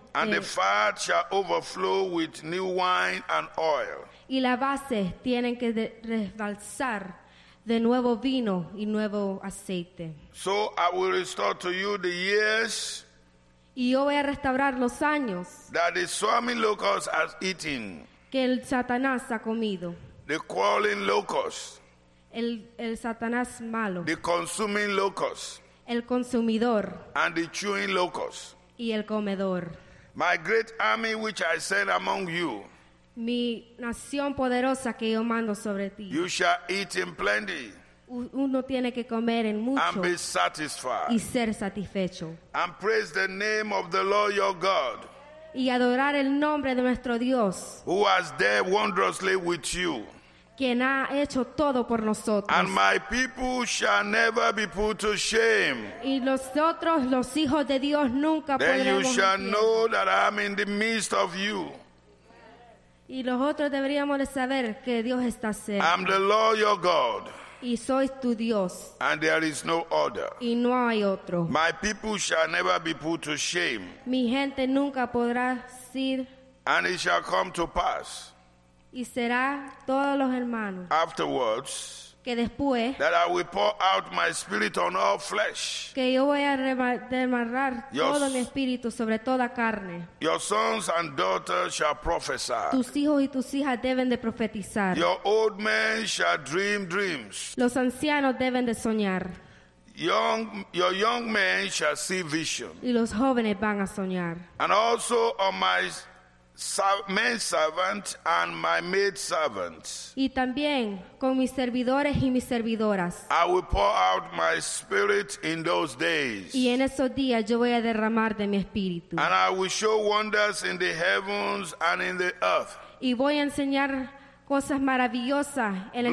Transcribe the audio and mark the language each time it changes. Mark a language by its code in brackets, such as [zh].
[en] And the fat shall overflow with new wine and oil. [es] Y la base tienen que rebalsar de nuevo vino y nuevo aceite. [en] So I will restore to you the years. [es] Y yo voy a restaurar los años. [en] That the swarming locust has eaten. [es] Que el Satanás ha comido. [en] The crawling locust. [es] El Satanás malo. [en] The consuming locust. [es] El consumidor. [en] And the chewing locust. [es] Y el comedor. [en] My great army which I send among you. [es] Mi nación poderosa que yo mando sobre ti. [en] You shall eat in plenty. [es] Uno tiene que comer en mucho. [en] And be satisfied. [es] Y ser satisfecho. [en] And praise the name of the Lord your God. [es] Y adorar el nombre de nuestro Dios. [en] Who has dealt wondrously with you. [es] Quien ha hecho todo por nosotros. [en] And my people shall never be put to shame. [es] Y nosotros, los hijos de Dios, nunca [en] Then [es] podremos [en] you shall know that I'm in the midst of you. [es] Y los otros deberíamos de saber que Dios está cerca. [en] I'm the Lord your God. [es] Y soy tu Dios. [en] And there is no other. [es] Y no hay otro. [en] My people shall never be put to shame. [es] Mi gente nunca podrá ser. [en] And it shall come to pass. [es] Y será todos los hermanos. [en] Afterwards. [es] Que después. [en] That I will pour out my spirit on all flesh. [es] Que yo voy a derramar todo mi espíritu sobre toda carne. [en] Your sons and daughters shall prophesy. [es] Tus hijos y tus hijas deben de profetizar. [en] Your old men shall dream dreams. [es] Los ancianos deben de soñar. [en] Your young men shall see vision. [es] Y los jóvenes van a soñar. [en] And also on my maid servant and my maid servant. [es] Y también con mis servidores y mis servidoras. [en] I will pour out my spirit in those days. [es] Y en esos días yo voy a derramar de mi espíritu. [en] And I will show wonders in the heavens and in the earth. [es] Y voy a enseñar cosas maravillosas en el